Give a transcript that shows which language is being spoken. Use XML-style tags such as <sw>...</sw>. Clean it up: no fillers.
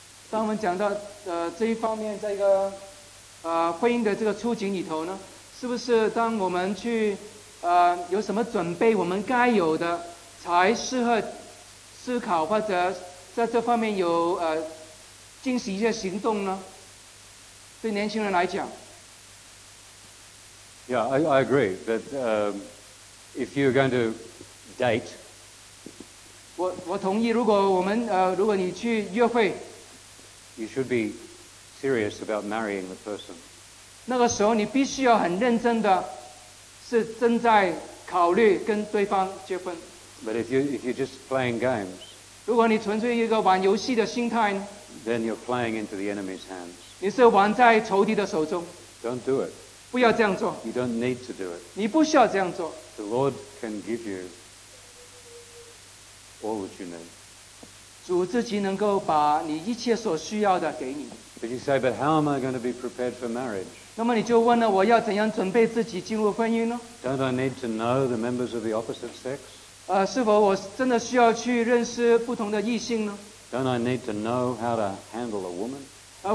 <zh>当我们讲到这一方面，在一个婚姻的这个处境里头呢，是不是当我们去有什么准备，我们该有的才适合思考或者在这方面有进行一些行动呢？对年轻人来讲</zh> <en>，Yeah, I agree that if you're going to date.</en> <zh>我同意，如果我们如果你去约会</zh> <en>，You should be serious about marrying the person.</en> <zh>那个时候你必须要很认真的，是正在考虑跟对方结婚。</zh> <en>But if you're just playing games,</en> <zh>如果你纯粹一个玩游戏的心态</zh> <en>，Then you're playing into the enemy's hands.</en> <zh>你是玩在仇敌的手中。</zh> <en>Don't do it.</en> <zh>不要这样做。</zh> <en>You don't need to do it.</en> <zh>你不需要这样做。</zh> <en>The Lord can give you. All that you need.</en> <zh>主自己能够把你一切所需要的给你。</zh> <en>But you say, but how am I going to be prepared for marriage?</en> <zh>那么你就问了，我要怎样准备自己进入婚姻呢？</zh> <en>Don't I need to know the members of the opposite sex?</en> <zh>是否我真的需要去认识不同的异性呢？</zh> <en>Don't I need to know how to handle a woman?</en>